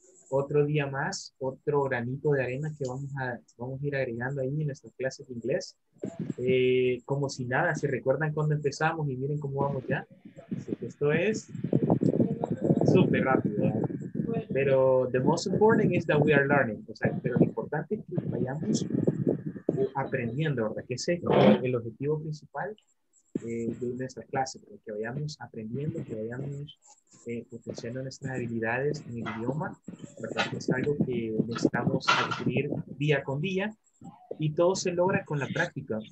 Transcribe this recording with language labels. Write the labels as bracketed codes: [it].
[es] Otro día más, otro granito de arena que vamos a ir agregando ahí en nuestra clase de inglés. Como si nada, ¿se recuerdan cuando empezamos y miren cómo vamos ya? Esto es súper rápido, ¿verdad? Pero [en] the most important is that we are learning. [es] O sea, pero lo importante es que vayamos aprendiendo, ¿verdad? Que ese es el objetivo principal de nuestra clase, ¿verdad? Que vayamos aprendiendo, que vayamos potenciando nuestras habilidades en el idioma, ¿verdad? Que es algo que necesitamos adquirir día con día y todo se logra con la práctica.